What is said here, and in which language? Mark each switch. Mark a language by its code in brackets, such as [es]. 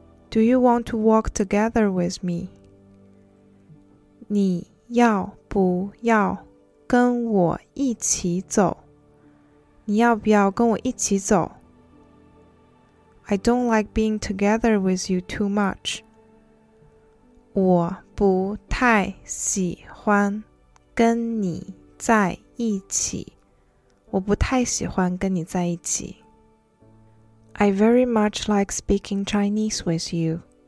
[en] Do you want to walk together with me? [zh] 你要不要跟我一起走？你要不要跟我一起走？ [en] I don't like being together with you too much. [zh] 我不太喜欢跟你在一起。我不太喜欢跟你在一起。 [en] I very much like speaking Chinese with you.